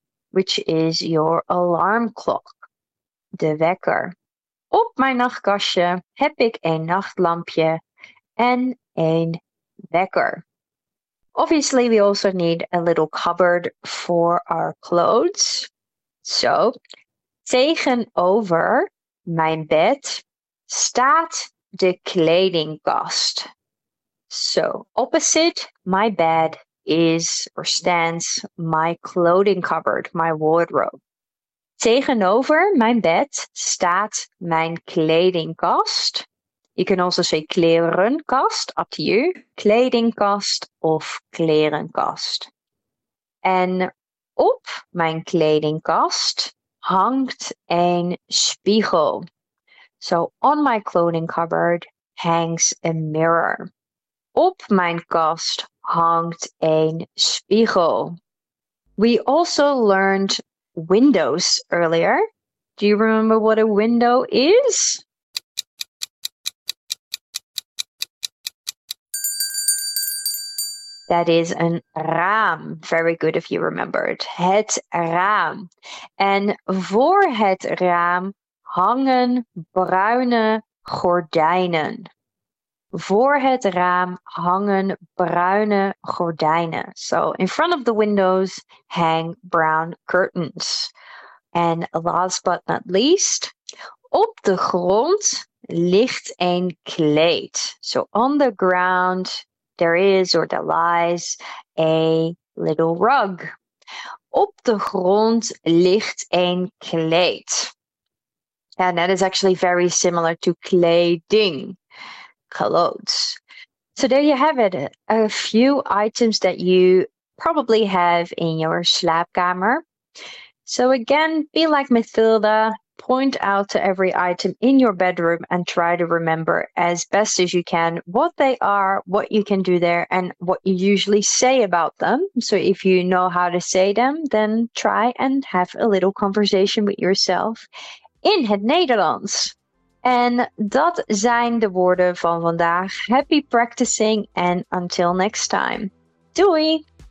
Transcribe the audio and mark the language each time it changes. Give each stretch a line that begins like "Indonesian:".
English: which is your alarm clock, de wekker.
Dutch: Op mijn nachtkastje heb ik een nachtlampje en een wekker.
English: Obviously, we also need a little cupboard for our clothes.
Dutch: So, tegenover mijn bed staat de kledingkast.
English: So, opposite my bed is or stands my clothing cupboard, my wardrobe.
Dutch: Tegenover mijn bed staat mijn kledingkast.
English: You can also say klerenkast, up to you.
Dutch: Kledingkast of klerenkast. En op mijn kledingkast hangt een spiegel.
English: So on my clothing cupboard hangs a mirror.
Dutch: Op mijn kast hangt een spiegel.
English: We also learned windows earlier. Do you remember what a window is? That is een raam. Very good if you remembered.
Dutch: Het raam. En voor het raam hangen bruine gordijnen. Voor het raam hangen bruine gordijnen.
English: So in front of the windows hang brown curtains. And last but not least,
Dutch: op de grond ligt een kleed.
English: So on the ground there is or there lies a little rug.
Dutch: Op de grond ligt een kleed.
English: And that is actually very similar to kleding, clothes. So there you have it. A few items that you probably have in your slaapkamer. So again, be like Mathilda. Point out to every item in your bedroom and try to remember as best as you can what they are, what you can do there, and what you usually say about them. So if you know how to say them, then try and have a little conversation with yourself in het Nederlands.
Dutch: En dat zijn de woorden van vandaag.
English: Happy practicing and until next time. Doei!